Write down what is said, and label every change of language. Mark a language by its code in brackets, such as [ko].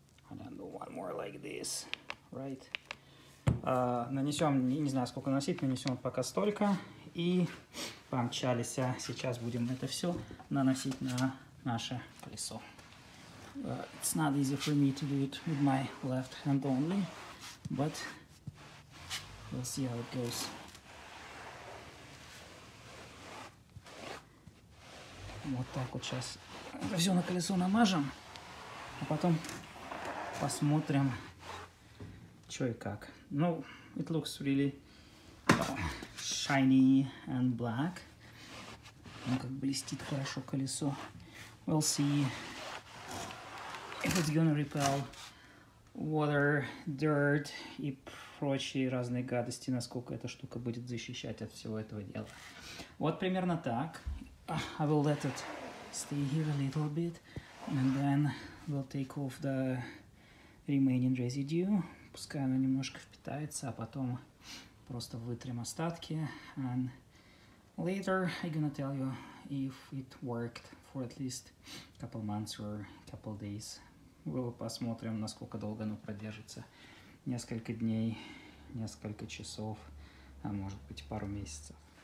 [en] And then do one more like this, right? [ru] Нанесем, не знаю сколько наносить, нанесем пока столько. И помчались, сейчас будем это все наносить на наше колесо. [en] It's not easy for me to do it with my left hand only, but... We'll see how it goes. [ru] Вот так вот сейчас все на колесо намажем, а потом посмотрим, что и как. [en] Ну, it looks really shiny and black. [ru] Он как блестит хорошо колесо. [en] We'll see if it's gonna repel water, dirt [ru] и прочие разные гадости, насколько эта штука будет защищать от всего этого дела. Вот примерно так. [en] I will let it stay here a little bit, and then we'll take off the remaining residue. [ru] Пускай оно немножко впитается, а потом просто вытрем остатки. [en] And later I'm gonna tell you if it worked for at least a couple months or a couple days. [ru] Мы посмотрим, насколько долго оно продержится. Несколько дней, несколько часов, а может быть пару месяцев.